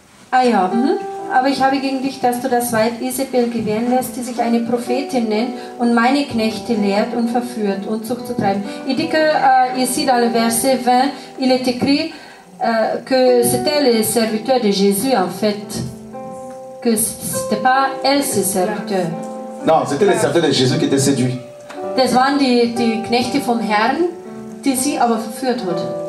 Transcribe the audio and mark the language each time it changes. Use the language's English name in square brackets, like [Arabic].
[German] Ah ja, aber ich habe gegen dich, dass du das Weib Isabel gewähren lässt, die sich eine Prophetin nennt und meine Knechte lehrt und verführt, Unzucht zu treiben. [French] Il dit que ici dans le verset 20, il est écrit que c'était les serviteurs de Jésus en fait, que c'était pas elle ses serviteurs. Non, c'était les serviteurs de Jésus qui étaient séduits. [German] Das waren die Knechte vom Herrn, die sie aber verführt hat.